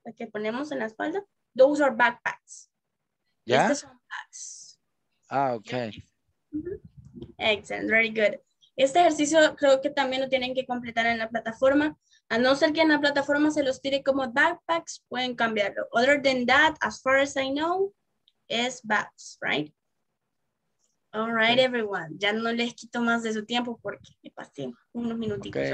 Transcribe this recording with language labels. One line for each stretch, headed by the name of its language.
Spanish: Las que ponemos en la espalda.
English: Those are backpacks. Yeah.
Spanish: Estas son bags.
English: Ah, okay. Mm-hmm. Excellent, very good.
Spanish: Este ejercicio creo que también lo tienen que completar en la plataforma. A no ser que en la plataforma se los tire como backpacks, pueden cambiarlo.
English: Other than that, as far as I know, es bags, right? All right, everyone.
Spanish: Ya no les quito más de su tiempo porque me pasé unos minuticos, okay.